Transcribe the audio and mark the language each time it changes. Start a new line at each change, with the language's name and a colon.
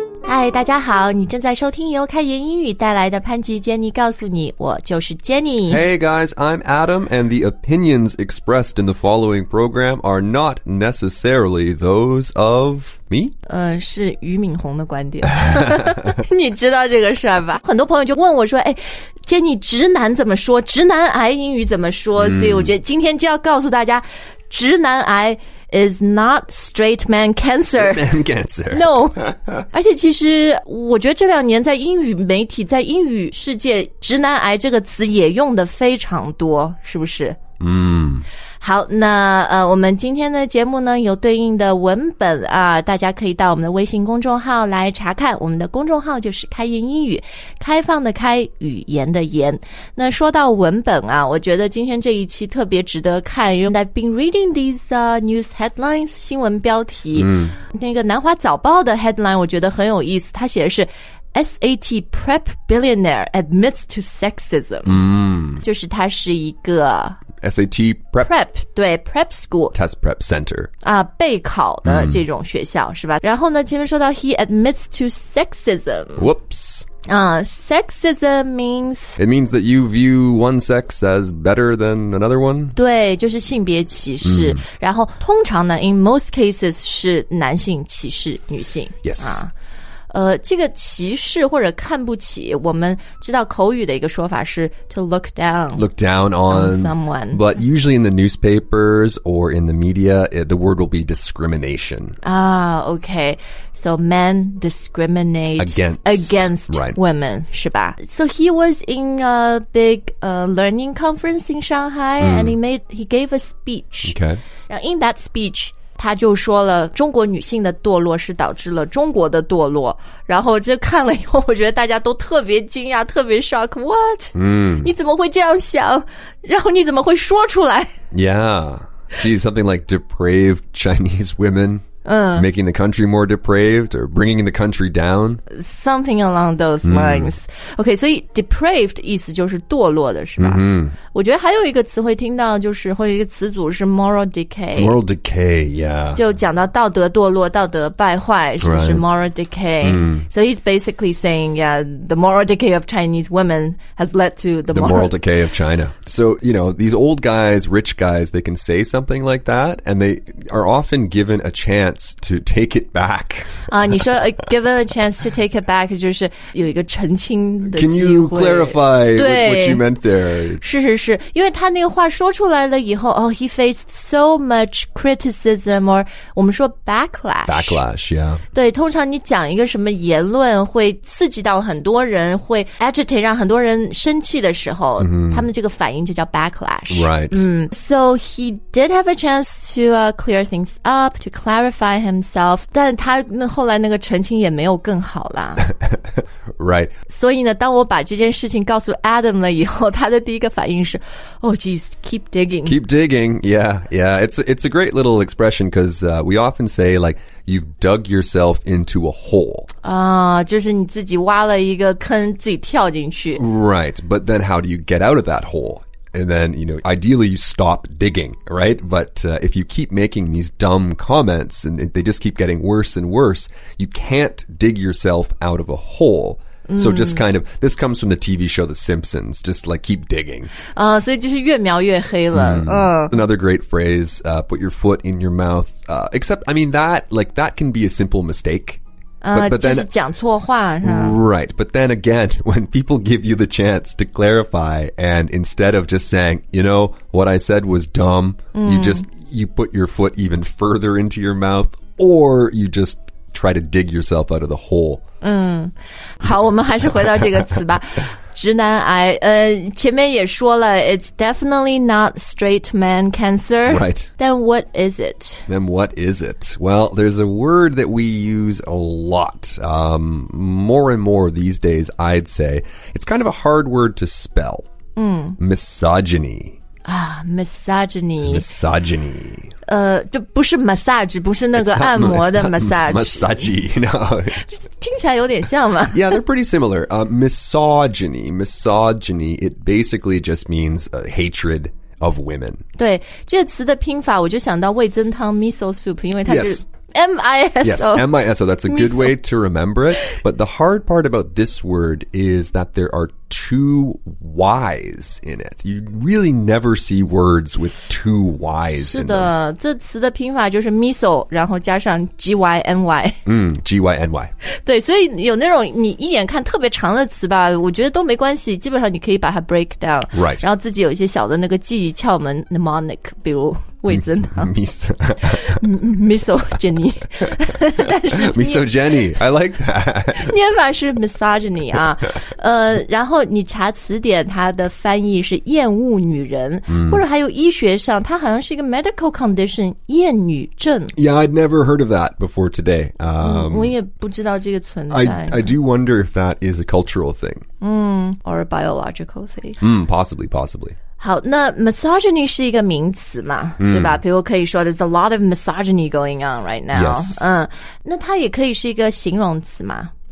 Chinese: 嗨，大家好，你正在收听由开源英语带来的潘吉 Jenny 告诉你，我就是 Jenny。
English: Hey guys, I'm Adam, and the opinions expressed in the following program are not necessarily those of... me?
Chinese: 是俞敏洪的观点。你知道这个事儿吧？很多朋友就问我说，哎，姐，你直男怎么说？直男癌英语怎么说？
English: 所以我觉得今天就要告诉大家，直男癌 is not straight man cancer. Straight man cancer. No.
Chinese: 而且其实我觉得这两年在英语媒体，在英语世界，直男癌这个词也用的非常多，是不是？好，那我们今天的节目呢有对应的文本啊，大家可以到我们的微信公众号来查看，我们的公众号就是开言英语，开放的开，语言的言。那说到文本啊，我觉得今天这一期特别值得看，因为
English: I've been reading these news headlines,
Chinese: 新闻标题。那个南华早报的 headline 我觉得很有意思，它写的是
English: SAT prep billionaire admits to sexism.
Chinese: 就是他是一个
English: SAT prep. Prep, 对 prep school. Test prep center.
Chinese: 啊，备考的这种学校是吧？然后呢，前面说到
English: he admits to sexism. Whoops. Sexism means... It means that you view one sex as better than another one.
Chinese: 对，就是性别歧视。然后通常呢
English: in most cases
Chinese: 是男性歧视女性。
English: Yes.
Chinese: 这个歧视或者看不起，我们知道口语的一个说法是
English: to look down on someone. But usually in the newspapers or in the media, the word will be discrimination. Ah, okay. So men discriminate against right. women, 是吧? So he was in a big learning conference in Shanghai, and he gave a speech. Okay. And in that speech,
Chinese: 他就说了中国女性的堕落是导致了中国的堕落，然后这看了以后我觉得大家都特别惊讶，特别 shock, what? 你怎么会这样想，然后你怎么会说出来
English: Yeah, geez, something like depraved Chinese women making the country more depraved or bringing the country down. Something along those lines.
Chinese: Okay, 所以 depraved 意思就是堕落的是吧、我觉得还有一个词会听到，就是会有一个词组是 moral decay.
English: Moral decay, yeah.
Chinese: 就讲到道德堕落，道德败坏，是不是、
English: right. moral decay?、So he's basically saying, yeah, the moral decay of Chinese women has led to the moral decay of China. So, you know, these old guys, rich guys, they can say something like that, and they are often given a chance to take it back.
Chinese: 你说
English: given a chance to take it back,
Chinese: 就是有一个澄清的机会。
English: Can you clarify what you meant there?
Chinese: 是是是，因为他那个话说出来了以后，
English: he faced so much criticism, or
Chinese: 我们说 backlash.
English: Backlash, yeah.
Chinese: 对，通常你讲一个什么言论会刺激到很多人，会 agitate, 让很多人生气的时候，他们这个反应就叫 backlash.
English: Right. So he did have a chance to clear things up, to clarify himself,
Chinese: 但他那后来那个澄清也没有更好啦。
English: Right.
Chinese: 所以呢，当我把这件事情告诉 Adam 了以后，他的第一个反应是 ，
English: Oh, geez, keep digging. Keep digging. Yeah, yeah. It's a great little expression because we often say like you've dug yourself into a hole.
Chinese: 就是你自己挖了一个坑，自己跳进去。
English: Right. But then, how do you get out of that hole? And then, you know, ideally you stop digging, right? But if you keep making these dumb comments and they just keep getting worse and worse, you can't dig yourself out of a hole. So just kind of, this comes from the TV show The Simpsons, just like keep digging.
Chinese: 所以就是越描越黑了。
English: Another great phrase, put your foot in your mouth. Except, I mean, that can be a simple mistake. But then,
Chinese: 就是讲错话是吧?
English: Right, but then again, when people give you the chance to clarify, and instead of just saying, you know, what I said was dumb, you put your foot even further into your mouth, or you just try to dig yourself out of the hole.
Chinese: 好，我们还是回到这个词吧。直男癌，前面也说了 ，
English: it's definitely not straight man cancer. Right. Then what is it? Well, there's a word that we use a lot, more and more these days. I'd say it's kind of a hard word to spell. Misogyny. Misogyny.
Chinese: 就不是 massage, 不是那个按摩的 massage.
English: Massage, no.
Chinese: 听起来有点像吗?
English: Yeah, they're pretty similar. Misogyny, it basically just means a hatred of women.
Chinese: 对,这个词的拼法我就想到味噌汤 miso soup, 因为它是
English: M-I-S-O. Yes, M-I-S-O. That's a good way to remember it. But the hard part about this word is that there are two Y's in it. You really never see words with two Y's in them.
Chinese: 是的，这词的拼法就是 miso, 然后加上 G-Y-N-Y.
English: G-Y-N-Y.
Chinese: 对，所以有那种你一眼看特别长的词吧，我觉得都没关系，基本上你可以把它 break down.
English: Right.
Chinese: 然后自己有一些小的那个记忆窍门 mnemonic, 比如味增汤
English: Misogyny Misogyny, I like that
Chinese: 念法是 misogyny 啊，然后你查词典它的翻译是厌恶女人、mm. 或者还有医学上它好像是一个 medical condition 厌女症
English: Yeah, I'd never heard of that before today、
Chinese: 我也不知道这个存在
English: I do wonder if that is a cultural thing、 Or a biological thing、 Possibly
Chinese: 好，那 misogyny 是一个名词嘛、对吧？比如可以说
English: there's a lot of misogyny going on right now. Yes.
Chinese: 那它也可以是一个形容词嘛。